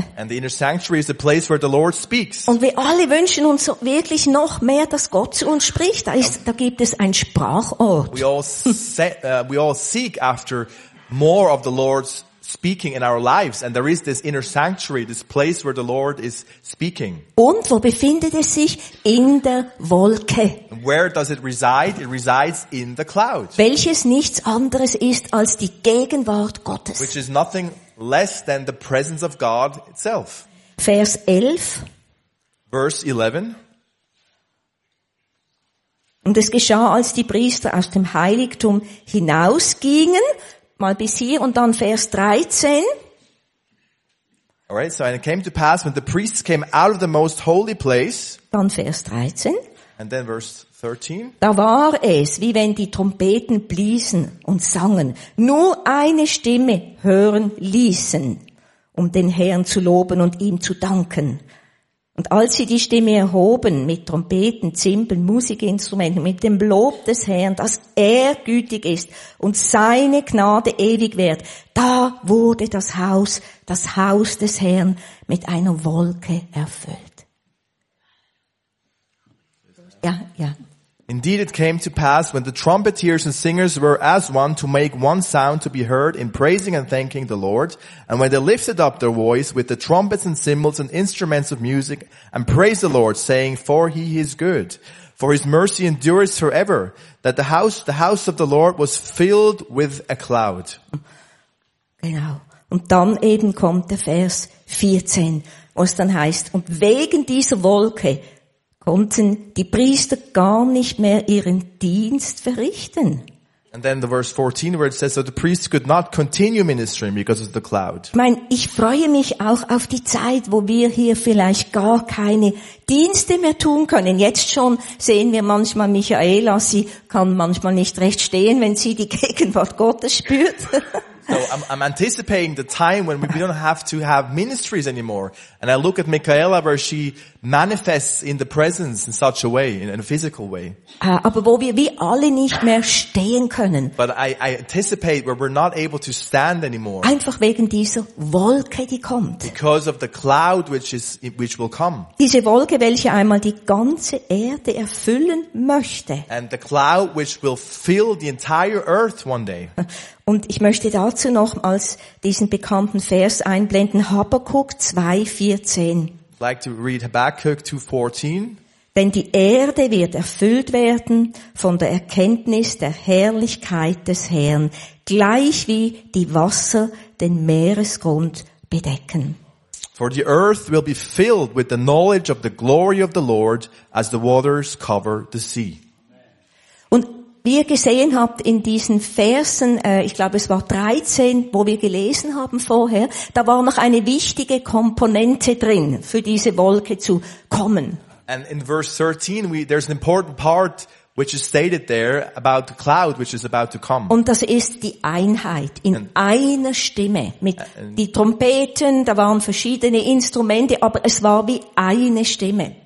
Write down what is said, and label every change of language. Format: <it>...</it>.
<en>And the inner sanctuary is the place where the Lord speaks.</en> <de>Und wir alle wünschen uns wirklich noch mehr, dass Gott zu uns spricht. Da gibt es einen Sprachort.</de> <en>We all seek after more of the Lord's speaking in our lives, and there is this inner sanctuary, this place where the Lord is speaking.</en> <de>Und wo befindet es sich? In der Wolke.</de> <en>Where does it reside? It resides in the cloud.</en> <de>Welches nichts anderes ist als die Gegenwart Gottes.</de> <en>Which is nothing less than the presence of God itself.</en> <de>Vers 11.</de> <en>Verse 11.</en> <de>Und es geschah, als die Priester aus dem Heiligtum hinausgingen, mal bis hier und dann Vers 13.</de> <en>Alright, so and it came to pass when the priests came out of the most holy place.</en> <de>Dann Vers 13.</de> <en>And then verse 13.</en> <de>Da war es, wie wenn die Trompeten bliesen und sangen, nur eine Stimme hören ließen, um den Herrn zu loben und ihm zu danken. Und als sie die Stimme erhoben mit Trompeten, Zimbeln, Musikinstrumenten, mit dem Lob des Herrn, dass er gütig ist und seine Gnade ewig währt, da wurde das Haus des Herrn mit einer Wolke erfüllt. Ja, ja.</de> <en>Indeed it came to pass when the trumpeters and singers were as one to make one sound to be heard in praising and thanking the Lord, and when they lifted up their voice with the trumpets and cymbals and instruments of music and praised the Lord, saying, For he is good, for his mercy endureth forever, that the house of the Lord was filled with a cloud.</en> <de>Genau. Und dann eben kommt der Vers 14, was dann heißt, und wegen dieser Wolke konnten die Priester gar nicht mehr ihren Dienst verrichten.</de> <en>And then the verse 14 where it says, so the priests could not continue ministering because of the cloud.</en> <de>Ich meine, ich freue mich auch auf die Zeit, wo wir hier vielleicht gar keine Dienste mehr tun können. Jetzt schon sehen wir manchmal Michaela, sie kann manchmal nicht recht stehen, wenn sie die Gegenwart Gottes spürt.</de> <en>So I'm anticipating the time when we don't have to have ministries anymore. And I look at Michaela where she manifests in the presence in such a way, in a physical way.</en> <de>Aber wo wir wie alle nicht mehr stehen können.</de> <en>But I anticipate where we're not able to stand anymore.</en> <de>Einfach wegen dieser Wolke, die kommt.</de> <en>Because of the cloud which will come.</en> <de>Diese Wolke, welche einmal die ganze Erde erfüllen möchte.</de> <en>And the cloud which will fill the entire earth one day.</en> <de>Und ich möchte dazu nochmals diesen bekannten Vers einblenden, Habakkuk 2,14.</de> <en>I'd like to read Habakkuk 2,14.</en> <de>Denn die Erde wird erfüllt werden von der Erkenntnis der Herrlichkeit des Herrn, gleich wie die Wasser den Meeresgrund bedecken.</de> <en>For the earth will be filled with the knowledge of the glory of the Lord as the waters cover the sea.</en> <de>Wie ihr gesehen habt in diesen Versen, ich glaube es war 13, wo wir gelesen haben vorher, da war noch eine wichtige Komponente drin, für diese Wolke zu kommen.</de> <en>And in verse 13, there's an important part which is stated there about the cloud which is about to come.</en> <de>Und das ist die Einheit in einer Stimme mit die Trompeten, da waren verschiedene Instrumente, aber es war wie eine Stimme.</de>